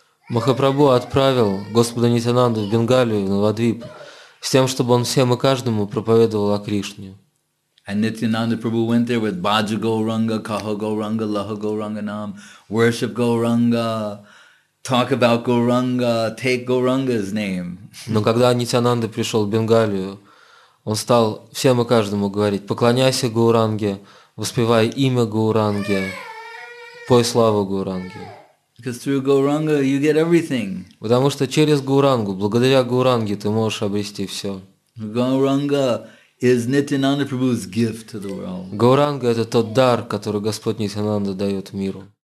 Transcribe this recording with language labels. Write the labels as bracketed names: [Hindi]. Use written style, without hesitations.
[Russian] Махапрабху отправил Господа Нитянанду в Бенгалию, в Навадвип, с тем, чтобы он всем и каждому проповедовал о Кришне. [English] And Nityananda Prabhu went there with [Bangla] Bhaja Gauranga, Kaha Gauranga, Laha Gauranga Nam, [English] worship Gauranga, talk about Gauranga, take Gauranga's name. [Russian] Но когда Нитянанда пришел в Бенгалию, он стал всем и каждому говорить: поклоняйся Гауранге, воспевай имя Гауранге, пой славу Гауранге. [English] Because through Gauranga you get everything. [Russian] Потому что через Гаурангу, благодаря Гауранге, ты можешь обрести все. [English] Gauranga is Nityananda Prabhu's gift to the world. [Russian] Гауранга — это тот дар, который Господь Нитянанда дает миру.